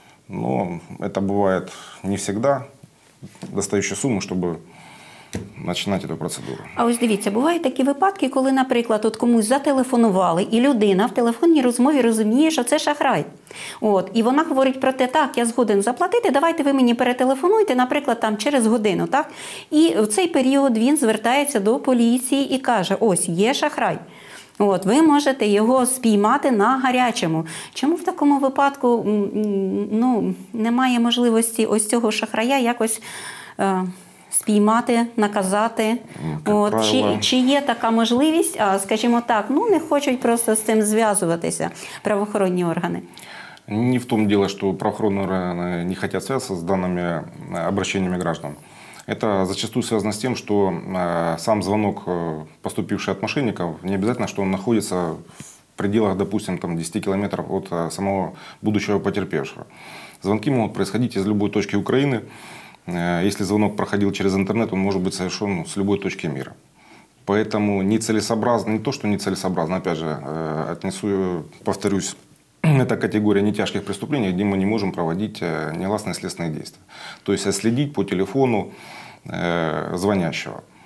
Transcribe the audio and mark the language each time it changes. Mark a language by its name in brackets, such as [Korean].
[Russian] Но это бывает не всегда достающая сумма, чтобы [Ukrainian] починати цю процедуру. А ось дивіться, бувають такі випадки, коли, наприклад, от комусь зателефонували, і людина в телефонній розмові розуміє, що це шахрай. От, і вона говорить про те, так, я згоден заплатити, давайте ви мені перетелефонуйте, наприклад, там через годину, так? І в цей період він звертається до поліції і каже, ось, є шахрай. От, ви можете його спіймати на гарячому. Чому в такому випадку, ну, немає можливості ось цього шахрая якось спіймати, наказати. От, чи є така можливість, а, скажімо так, ну не хочуть просто з цим зв'язуватися правоохоронні органи? Не в тому діло, що правоохоронні органи не хочуть зв'язатися з даними [Russian] обращеннями граждан. [Ukrainian] Це зачастую зв'язано з тим, що сам дзвінок, [Russian] поступивший від мошенників, [Ukrainian] не обов'язково, що він знаходиться [Russian] в пределах, допустим, [Ukrainian] там, 10 кілометрів від самого [Russian] будучого потерпевшого. [Ukrainian] Дзвінки можуть відбуватися з будь-якої точки України. [Russian] Если звонок проходил через интернет, он может быть совершен с любой точки мира. Поэтому нецелесообразно, не то, что нецелесообразно, опять же, повторюсь, это категория нетяжких преступлений, где мы не можем проводить негласные следственные действия. То есть отследить по телефону звонящего.